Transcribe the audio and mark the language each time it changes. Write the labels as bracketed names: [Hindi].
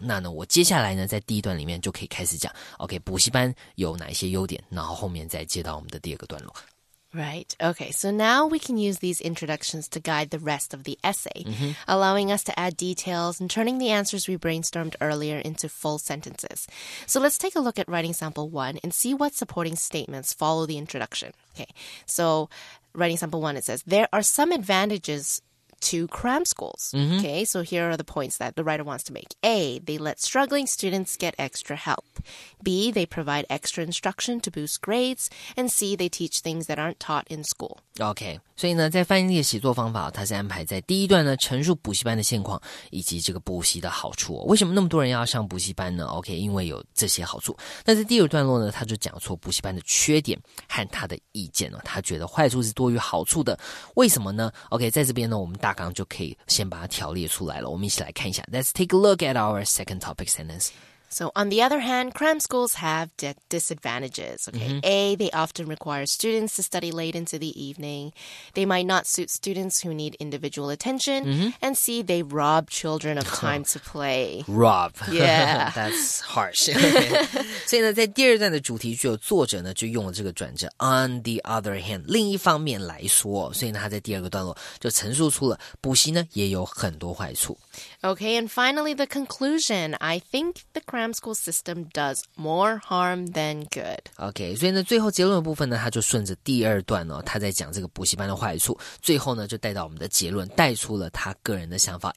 [Chinese] 那呢，我接下来呢，在第一段里面就可以开始讲 OK 补习班有哪一些优点，然后后面再接到我们的第二个段落。 [English] Right. Okay. So now we can use these introductions to guide the rest of the essay, allowing us to add details and turning the answers we brainstormed earlier into full sentences. So let's take a look at writing sample one and see what supporting statements follow the introduction. Okay. So writing sample one, it says, there are some advantages... to cram schools. Okay, so here are the points that the writer wants to make. A, they let struggling students get extra help. B, they provide extra instruction to boost grades. And C, they teach things that aren't taught in school. [Chinese] Okay, 所以呢在翻译的写作方法它是安排在第一段呢陈述补习班的现况以及这个补习的好处。为什么那么多人要上补习班呢 ?Okay, 因为有这些好处。那在第二段落呢他就讲出补习班的缺点和他的意见。他觉得坏处是多于好处的。为什么呢 ?Okay, 在这边呢我们大纲就可以先把它条列出来了。我们一起来看一下。 [English] Let's take a look at our second topic sentence. So on the other hand, cram schools have disadvantages. Okay, mm-hmm. A, they often require students to study late into the evening. They might not suit students who need individual attention. Mm-hmm. And C, they rob children of time to play. Rob. Yeah. That's harsh. Okay. [Chinese] 所以呢，在第二段的主题句，作者呢就用了这个转折 [English] on the other hand, [Chinese] 另一方面来说。所以呢，他在第二个段落就陈述出了补习呢也有很多坏处。 [English] Okay, and finally, the conclusion. I think the cram school system does more harm than good. [Chinese] Okay, 所以呢，最后结论的部分呢，他就顺着第二段哦，他在讲这个补习班的坏处，最后呢，就带到我们的结论，带出了他个人的想法。